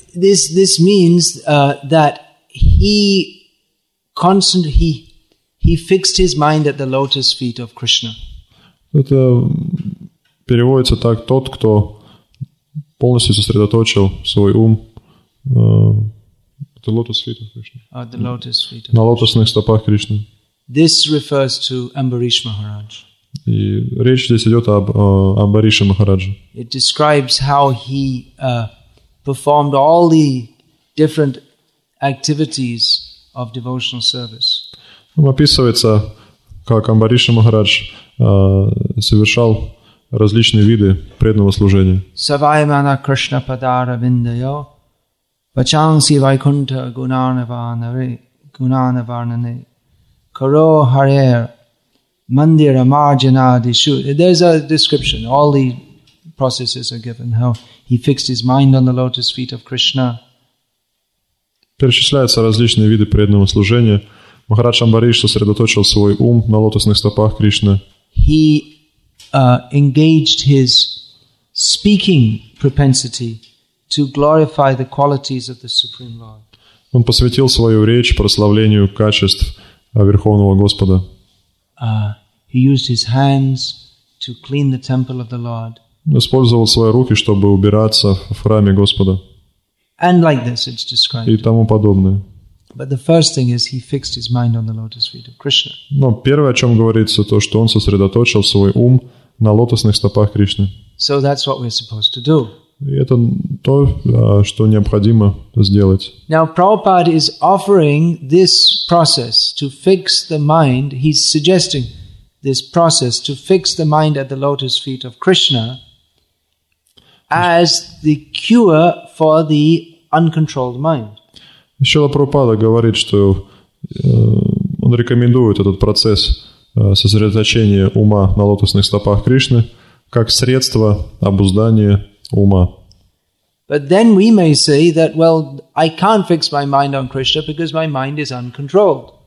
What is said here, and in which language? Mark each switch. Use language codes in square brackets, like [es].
[en] This means that he fixed his mind at the lotus feet of Krishna. [ru] Это переводится так: тот, кто полностью сосредоточил свой ум [en] the lotus feet of Krishna. At the lotus feet of [ru] Krishna. На лотосных стопах Кришны. [en] This refers to Ambarish Maharaj. [ru] И речь здесь идет об Амбарише Махарадже. [en] It describes how he performed all the different activities of devotional service. [ru] Описывается, как Амбариша Махарадж совершал различные виды преданного служения. [sa] Савай мана Кришна падара виндайо вачанси вайкунта гунанаварнане каро харьер мандира марджанадишу. [en] There's a description. All the processes are given. How he fixed his mind on the lotus feet of Krishna. [ru] Перечисляются различные виды преданного служения. Махарадж Амбариш сосредоточил свой ум на лотосных стопах Кришны. [en] He engaged his speaking propensity to glorify the qualities of the Supreme Lord. [ru] Он посвятил свою речь прославлению качеств Верховного Господа. [en] He used his hands to clean the temple of the Lord. [ru] Использовал свои руки, чтобы убираться в храме Господа. [en] And like this it's described. [ru] И тому подобное. [en] But the first thing is, he fixed his mind on the lotus feet of Krishna. [ru] Но первое, о чем говорится, то, что он сосредоточил свой ум на лотосных стопах Кришны. [en] So that's what we're supposed to do. [ru] И это то, что необходимо сделать. [en] Now, Prabhupada is offering this process to fix the mind. He's suggesting this process to fix the mind at the lotus feet of Krishna as the cure for the uncontrolled mind. [ru] Шрила Прабхупада говорит, что он рекомендует этот процесс сосредоточения ума на лотосных стопах Кришны как средство обуздания ума. [en] But then we may say that, well, I can't fix my mind on Krishna because my mind is uncontrolled.